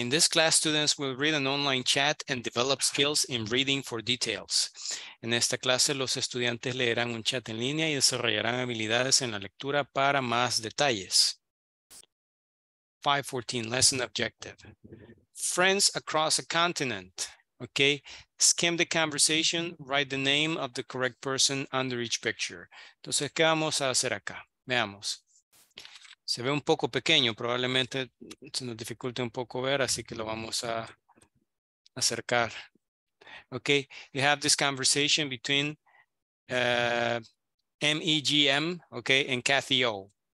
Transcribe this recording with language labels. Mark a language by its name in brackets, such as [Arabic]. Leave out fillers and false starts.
[English] In this class, students will read an online chat and develop skills in reading for details. [Spanish] En esta clase, los estudiantes leerán un chat en línea y desarrollarán habilidades en la lectura para más detalles. [English] 514 lesson objective. Friends across a continent. Okay, skim the conversation, write the name of the correct person under each picture. [Spanish] Entonces, ¿qué vamos a hacer acá? Veamos. Se ve un poco pequeño, probablemente se nos dificulte un poco ver, así que lo vamos a acercar. [English] Okay, you have this conversation between MEGM, okay, and Kathy O.